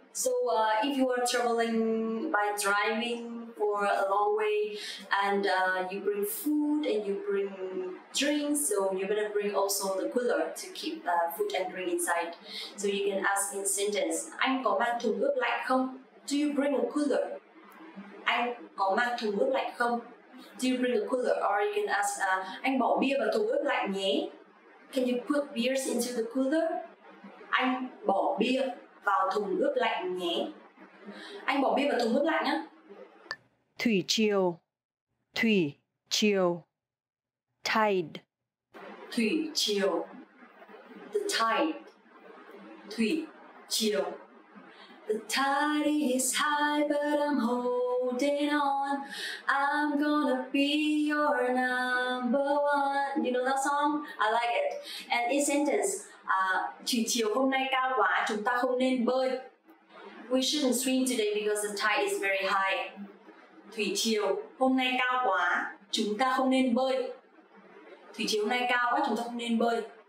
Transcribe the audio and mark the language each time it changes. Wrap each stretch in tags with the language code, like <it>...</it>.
<en>So if you are traveling by driving for a long way and you bring food and you bring drinks, so you better bring also the cooler to keep food and drink inside. So you can ask in sentence,</en> <vi>anh có mang thùng ướp lạnh không?</vi> <en>Do you bring a cooler?</en> <vi>Anh có mang thùng ướp lạnh không?</vi> <en>Do you bring a cooler? Or you can ask,</en> <vi>anh bỏ bia vào thùng ướp lạnh nhé?</vi> <en>Can you put beers into the cooler?</en> <vi>Anh bỏ bia vào thùng ướp lạnh nhé? Anh bỏ bia vào thùng ướp lạnh nhé. Thủy triều. Thủy triều. Tide. Thủy triều. The tide. Thủy triều.</vi> <en>The tide is high but I'm holding on. I'm gonna be your number one. You know that song? I like it. And in sentence,</en> <vi>thủy triều hôm nay cao quá, chúng ta không nên bơi.</vi> <en>We shouldn't swim today because the tide is very high.</en> <vi>Thủy triều hôm nay cao quá, chúng ta không nên bơi. Thủy triều hôm nay cao quá, chúng ta không nên bơi.</vi>